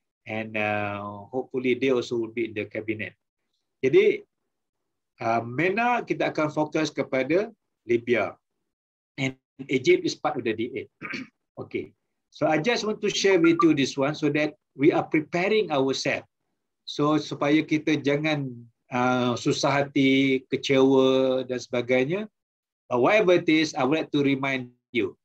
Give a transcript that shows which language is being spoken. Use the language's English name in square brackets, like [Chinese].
[English] And hopefully they also will be in the cabinet. [Malay] Jadi, MENA kita akan fokus kepada Libya. [English] And Egypt is part of the D8. Okay. So I just want to share with you this one so that we are preparing ourselves. [Malay] So supaya kita jangan susah hati, kecewa dan sebagainya. [English] But whatever it is, I would like to remind you.